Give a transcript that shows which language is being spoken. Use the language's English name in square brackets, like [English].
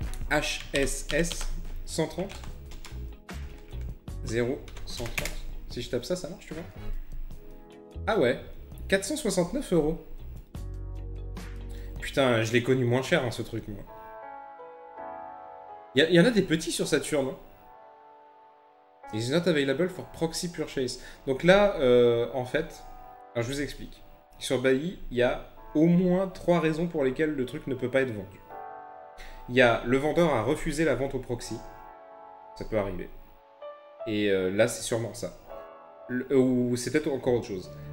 [French] HSS 130 0 130. Si je tape ça, ça marche, tu vois. Ah ouais, 469 euros. Putain, je l'ai connu moins cher, hein, ce truc, moi. Il y en a des petits sur Saturn. [English] It's not available for proxy purchase. [French] Donc là, en fait, alors je vous explique. Sur Bailly, il y a au moins 3 raisons pour lesquelles le truc ne peut pas être vendu. Il y a le vendeur a refusé la vente au proxy. Ça peut arriver. Et là, c'est sûrement ça. Ou c'est peut-être encore autre chose.